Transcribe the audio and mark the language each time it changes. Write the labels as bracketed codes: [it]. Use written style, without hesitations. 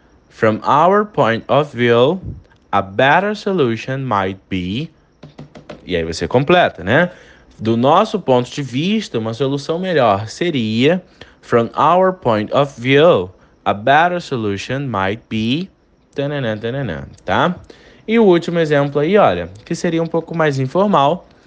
[en] From our point of view, a better solution might be. [pt] E aí você completa, né? Do nosso ponto de vista, uma solução melhor seria. [en] From our point of view, a better solution might be. Tananã, tananã, tá? [pt] E o último exemplo aí, olha, que seria um pouco mais informal.